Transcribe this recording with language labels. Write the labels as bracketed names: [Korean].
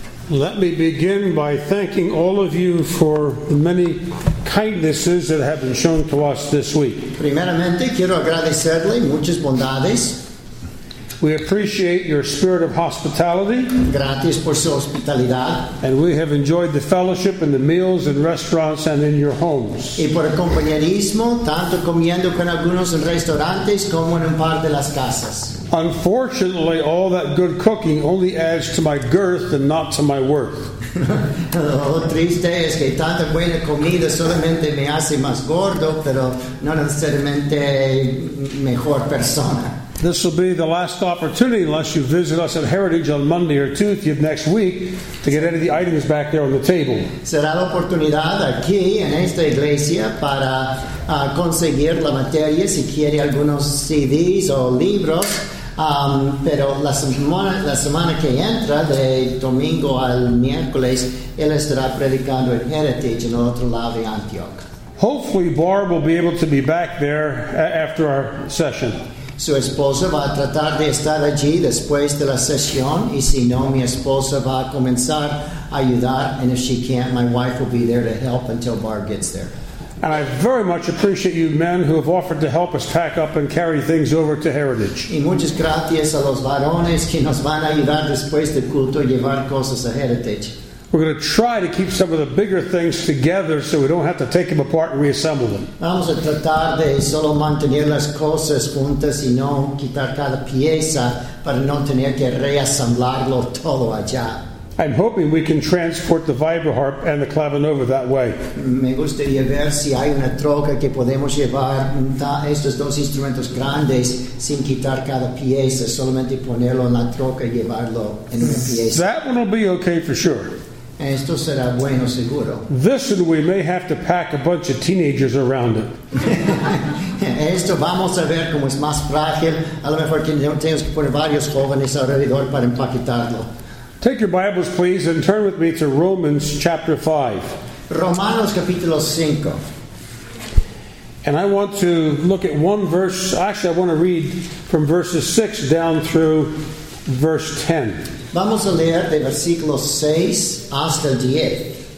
[English] Let me begin by thanking all of you for the many kindnesses that have been shown to us this week. [Spanish] Primeramente, quiero agradecerle muchas bondades. [English] We appreciate your spirit of hospitality. [Spanish] Gracias por su hospitalidad. [English] And we have enjoyed the fellowship and the meals in restaurants and in your homes. [Spanish] Y por el compañerismo, tanto comiendo con algunos en restaurantes como en un par de las casas. [English] Unfortunately, all that good cooking only adds to my girth and not to my worth. [Spanish] Lo triste es que tanta buena comida solamente me hace más gordo, pero no necesariamente mejor persona. [English] This will be the last opportunity, unless you visit us at Heritage on Monday or Tuesday of next week, to get any of the items back there on the table. [Spanish] Será la oportunidad aquí en esta iglesia para conseguir la materia si quiere algunos CDs o libros. Pero la semana que entra, de domingo al miércoles, él estará predicando en Heritage en el otro lado de Antioch. [English] Hopefully, Barb will be able to be back there after our session. [Spanish] Su esposa va a tratar de estar allí después de la sesión, y si no, mi esposa va a comenzar a ayudar, [English] and if she can't, my wife will be there to help until Barb gets there. And I very much appreciate you men who have offered to help us pack up and carry things over to Heritage. [Spanish] Y muchas gracias a los varones que nos van a ayudar después del culto a llevar cosas a Heritage. [English] We're going to try to keep some of the bigger things together so we don't have to take them apart and reassemble them. [Spanish] Vamos a tratar de solo mantener las cosas juntas y no quitar cada pieza para no tener que reasamblarlo todo allá. [English] I'm hoping we can transport the vibraharp and the clavinova that way. [Spanish] Me gustaría ver si hay una troca que podemos llevar estos dos instrumentos grandes sin quitar cada pieza, solamente ponerlo en la troca y llevarlo en una pieza. [English] That one will be okay for sure. [Spanish] Esto será bueno, seguro. [English] This one we may have to pack a bunch of teenagers around it. [Spanish] Esto vamos a ver cómo es más frágil. A lo mejor tenemos que poner varios jóvenes alrededor para empaquetarlo. [English] Take your Bibles, please, and turn with me to Romans chapter 5. [Spanish] Romanos capítulo 5. [English] And I want to look at one verse. Actually, I want to read from verses 6 down through verse 10. [Spanish] Vamos a leer de versículo 6 hasta el 10.